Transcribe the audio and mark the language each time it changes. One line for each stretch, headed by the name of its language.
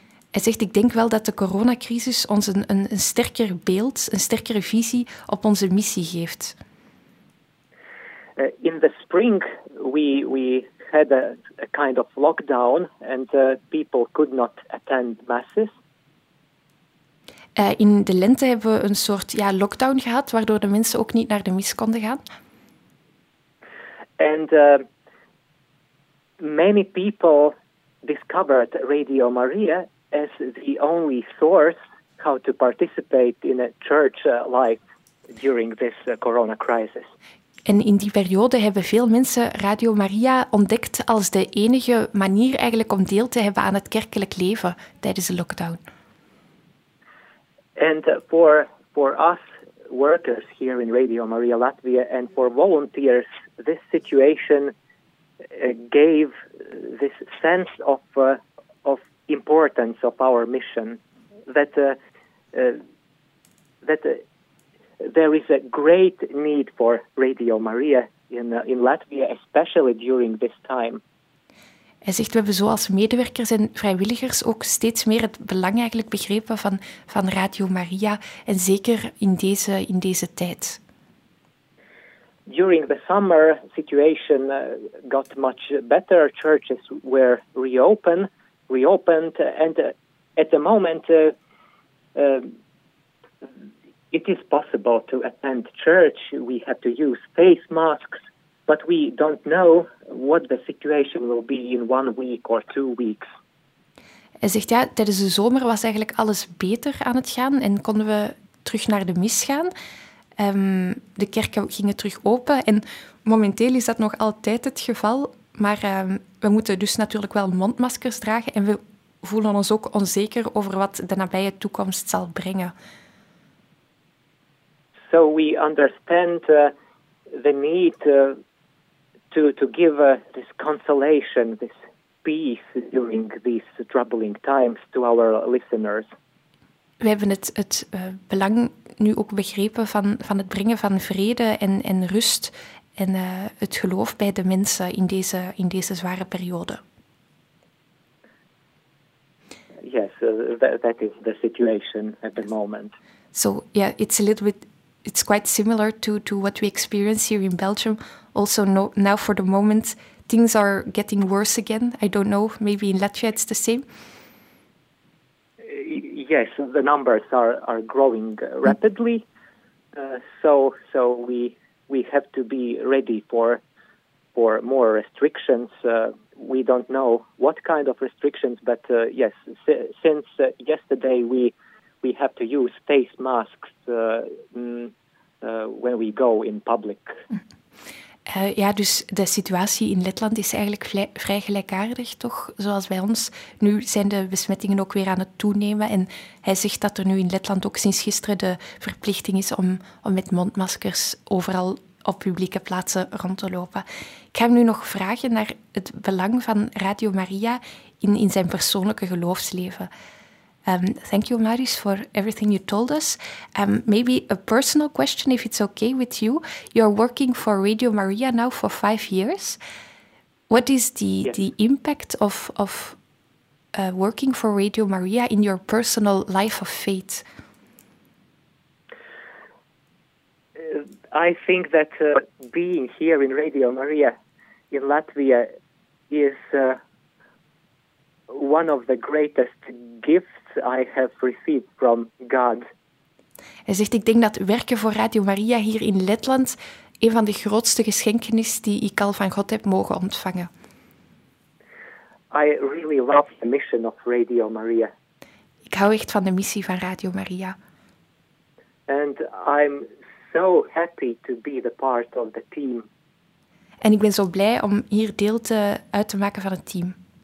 Dutch: Hij zegt, ik denk wel dat de coronacrisis ons een sterker beeld, een sterkere visie op onze missie geeft.
English: In the spring we had a kind of lockdown and people could not attend masses.
Dutch: In de lente hebben we een soort lockdown gehad, waardoor de mensen ook niet naar de mis konden gaan.
English: And many people discovered Radio Maria as the only source how to participate in a church life during this corona crisis.
Dutch: En in die periode hebben veel mensen Radio Maria ontdekt als de enige manier eigenlijk om deel te hebben aan het kerkelijk leven tijdens de lockdown.
English: And for us workers here in Radio Maria Latvia and for volunteers, this situation gave this sense of importance of our mission, that there is a great need for Radio Maria in Latvia, especially during this time.
Dutch: Hij zegt, we hebben zo als medewerkers en vrijwilligers ook steeds meer het belang eigenlijk begrepen van Radio Maria, en zeker in deze tijd.
English: During the summer, situation got much better. Churches were reopened, and at the moment, it is possible to attend church. We have to use face masks, but we don't know what the situation will be in 1 week or 2 weeks.
Dutch: Hij zegt, ja, tijdens de zomer was eigenlijk alles beter aan het gaan en konden we terug naar de mis gaan. De kerken gingen terug open en momenteel is dat nog altijd het geval. Maar we moeten dus natuurlijk wel mondmaskers dragen en we voelen ons ook onzeker over wat de nabije toekomst zal brengen.
English: So we understand the need to give this consolation, this peace during these troubling times to our listeners.
Dutch: We hebben het belang nu ook begrepen van het brengen van vrede en rust en het geloof bij de mensen in deze zware periode.
English: Yes, that is the situation at the moment. So, yeah, it's a little bit... It's quite similar to what we experience here in Belgium. Also, now for the moment, things are getting worse again. I don't know, maybe in Latvia it's the same? Yes, the numbers are growing rapidly. So we have to be ready for more restrictions. We don't know what kind of restrictions, but yes, since yesterday we have to use face masks when we go in public.
Dutch: Ja, dus de situatie in Letland is eigenlijk vrij gelijkaardig, toch? Zoals bij ons. Nu zijn de besmettingen ook weer aan het toenemen. En hij zegt dat er nu in Letland ook sinds gisteren de verplichting is om met mondmaskers overal op publieke plaatsen rond te lopen. Ik ga hem nu nog vragen naar het belang van Radio Maria in zijn persoonlijke geloofsleven.
English: Thank you, Marius, for everything you told us. Maybe a personal question, if it's okay with you. You're working for Radio Maria now for 5 years. What is the impact of working for Radio Maria in your personal life of faith? I think that being here in Radio Maria in Latvia is one of the greatest gifts I have received from God.
Dutch: Hij zegt, ik denk dat werken voor Radio Maria hier in Letland een van de grootste geschenken is die ik al van God heb mogen ontvangen.
English: I really love the mission of Radio Maria.
Dutch: Ik hou echt van de missie van Radio Maria.
English: And I'm so happy to be the part of the team.
Dutch: En ik ben zo blij om hier deel uit te maken van het team.